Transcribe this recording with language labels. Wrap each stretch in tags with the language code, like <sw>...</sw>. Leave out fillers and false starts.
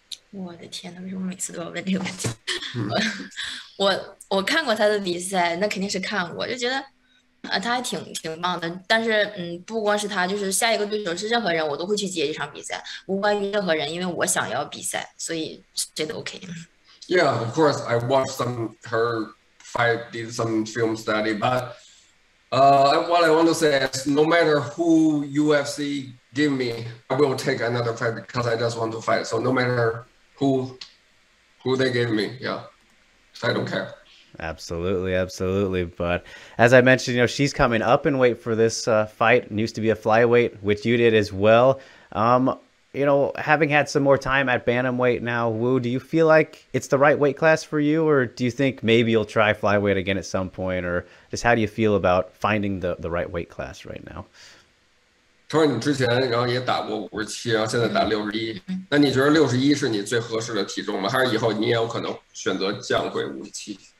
<zh>我的天呐，为什么每次都要问这个问题？我看过他的比赛，那肯定是看过，就觉得，他还挺棒的。但是，不光是他，就是下一个对手是任何人，我都会去接这场比赛，无关于任何人，因为我想要比赛，所以谁都 OK。</zh> <en>Yeah, of course, I watched some her fight, did some film study, but what I want to say is, no matter who UFC give me, I will take another fight because I just want to fight. So no matter who they gave me, yeah, I don't care. Absolutely, absolutely. But as I mentioned, she's coming up in weight for this fight, and used to be a flyweight, which you did as well. Having had some more time at bantamweight now, Wu, do you feel like it's the right weight class for you, or do you think maybe you'll try flyweight again at some point, or just how do you feel about finding the right weight class right now?</en> <zh>除了你之前，然后也打过57，然后现在打61。那你觉得61是你最合适的体重吗？还是以后你也有可能选择降回57？</zh>